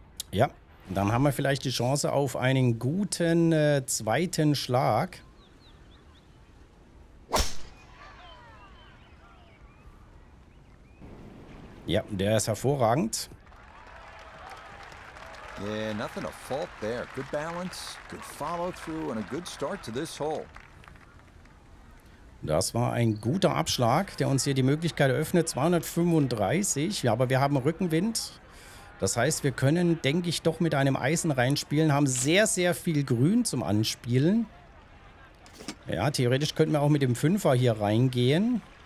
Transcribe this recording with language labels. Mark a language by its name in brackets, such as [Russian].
[German] Ja, dann haben wir vielleicht die Chance auf einen guten zweiten Schlag. Ja, der ist hervorragend. [English] Yeah, nothing to fault there. Good balance, good follow through and a good start to this hole. [German] Das war ein guter Abschlag, der uns hier die Möglichkeit eröffnet. 235, ja, aber wir haben Rückenwind. Das heißt, wir können, denke ich, doch mit einem Eisen reinspielen. Haben sehr, sehr viel Grün zum Anspielen. Ja, theoretisch könnten wir auch mit dem Fünfer hier reingehen.